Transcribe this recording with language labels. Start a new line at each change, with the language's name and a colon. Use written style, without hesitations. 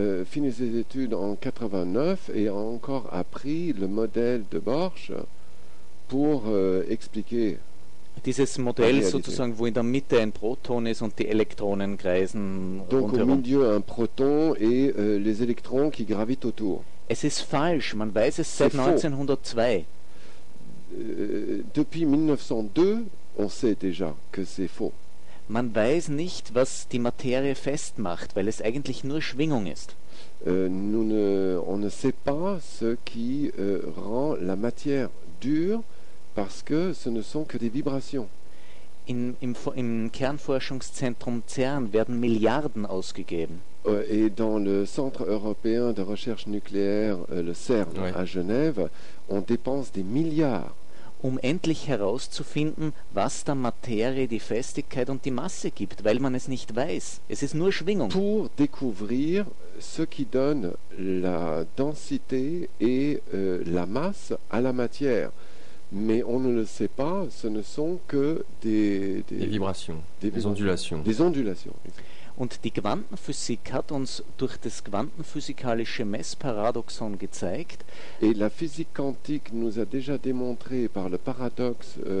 French: Fini ses études en 89 et a encore appris le modèle de Bohrsch pour expliquer.
German: Dieses Modell sozusagen, wo in der Mitte ein Proton ist und die Elektronen kreisen.
French: Donc au milieu un proton et les électrons qui gravitent autour.
German: Es ist falsch, man weiß es seit 1902.
French: Depuis 1902, on sait déjà que c'est faux.
German: Man weiß nicht, was die Materie festmacht, weil es eigentlich nur Schwingung ist.
French: On ne sait pas ce qui rend la matière dure. Parce que ce ne sont que des vibrations.
German: Im Kernforschungszentrum CERN werden Milliarden ausgegeben.
French: Et dans le Centre européen de recherche nucléaire, le CERN, oui, à Genève, on dépense des milliards.
German: Um endlich herauszufinden, was der Materie die Festigkeit und die Masse gibt, weil man es nicht weiß. Es ist nur Schwingung.
French: Pour découvrir ce qui donne la densité et la masse à la matière. Mais on ne le sait pas, ce ne sont que des vibrations, des ondulations. Des ondulations.
German: Und die Quantenphysik hat uns durch das quantenphysikalische Messparadoxon gezeigt.
French: Et la physique quantique nous a déjà démontré par le paradoxe.